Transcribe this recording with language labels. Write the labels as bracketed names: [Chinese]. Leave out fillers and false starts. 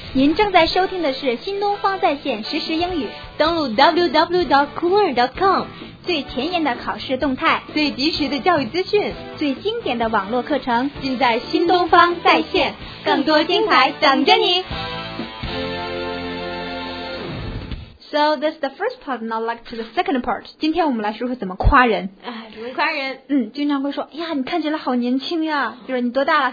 [Chinese] 您正在收听的是新东方在线实时英语，登录 www.coolearn.com。最前沿的考试动态，最及时的教育资讯，最经典的网络课程，尽在新东方在线，更多精彩等着你。 [English] So this is the first part, now like to the second part. [Chinese] 今天我们来说说怎么夸人。怎么夸人？嗯，经常会说，哎呀，你看起来好年轻呀，就是你多大了？